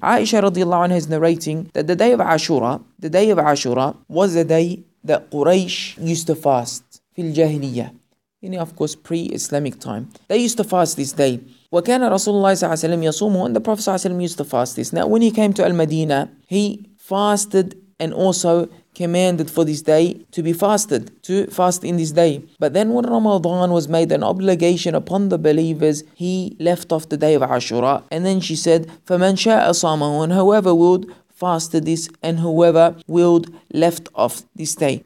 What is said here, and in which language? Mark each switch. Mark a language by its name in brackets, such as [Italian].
[English] عائشة رضي الله عنها is narrating that the day of Ashura was a day that Quraysh used to fast [Arabic] في الجاهلية. [English] Of course, pre-Islamic time. They used to fast this day. [Arabic] وَكَانَ رَسُولُ اللَّهِ صَلَّى اللَّهُ عَلَيْهِ وَسَلَّمَ يَصُومُهُ. [English] And the Prophet صلى الله عليه وسلم used to fast this. Now, when he came to Al-Madinah, he fasted and also commanded for this day to be fasted, to fast in this day. But then when Ramadan was made an obligation upon the believers, he left off the day of Ashura. And then she said, [Arabic] فَمَنْ شَاءَ صَامَهُ. [English] And whoever would fasted this, and whoever willed left off this day.